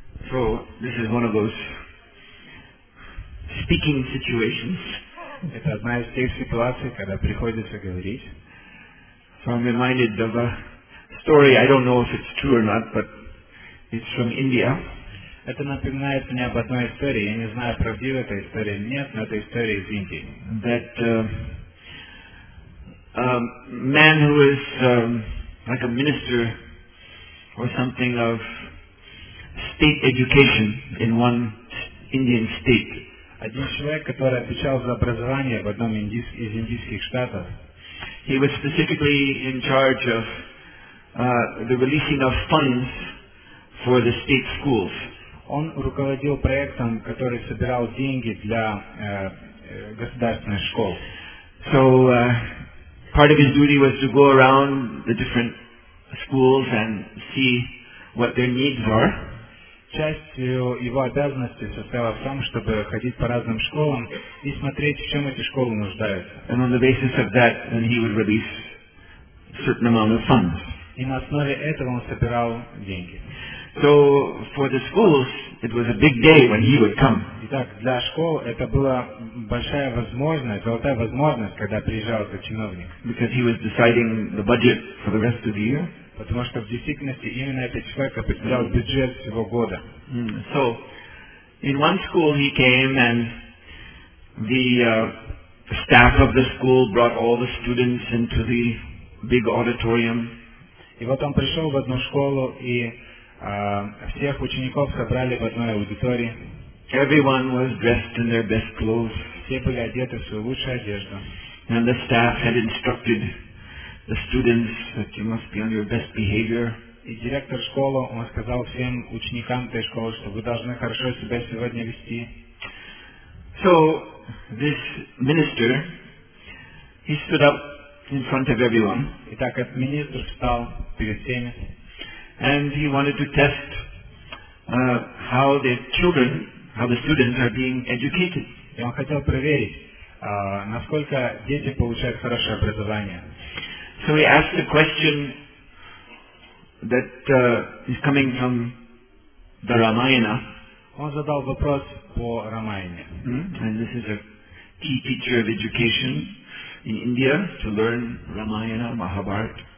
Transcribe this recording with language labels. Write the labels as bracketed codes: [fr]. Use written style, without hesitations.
[en] So, this is one of those speaking situations. [ru] Это одна из тех ситуаций, когда приходится говорить. [en] So I'm reminded of a story, I don't know if it's true or not, but it's from India. [ru] Это напоминает мне об одной истории. Я не знаю, правдива эта история или нет, но это история из Индии. [en] That man who is like a minister or something of state education in one Indian state. [ru] Один человек, который отвечал за образование в одном из индийских штатов. [en] He was specifically in charge of the releasing of funds for the state schools. [ru] Он руководил проектом, который собирал деньги для государственных школ. [en] So, part of his duty was to go around the different schools and see what their needs are. [ru] Часть его обязанностей состояла в том, чтобы ходить по разным школам и смотреть, в чем эти школы нуждаются. [en] And on the basis of that, then he would release a certain amount of funds. [ru] И на основе этого он собирал деньги. [en] So, for the schools, it was a big day when he would come. [ru] Итак, для школ это была большая возможность, золотая возможность, когда приезжал этот чиновник. [en] Because he was deciding the budget for the rest of the year. [ru] Потому что в действительности именно этот человек определял бюджет всего года. Mm. [en] So, in one school he came and the staff of the school brought all the students into the big auditorium. [ru] И вот он пришел в одну школу и всех учеников собрали в одной аудитории. [en] Everyone was dressed in their best clothes. [ru] Все были одеты в свою лучшую одежду. [en] And the staff had instructed the students that you must be on your best behavior. [ru] И директор школы, он сказал всем ученикам этой школы, что вы должны хорошо себя сегодня вести. [en] So, this minister, he stood up in front of everyone. [ru] Итак, этот министр встал перед всеми. [en] And he wanted to test how the children, how the students are being educated. [ru] И он хотел проверить, насколько дети получают хорошее образование. [en] So he asked a question that is coming from the Ramayana. [ru] Он задал вопрос по Рамаяне. [en] And this is a key feature of education in India, to learn Ramayana, Mahabharata.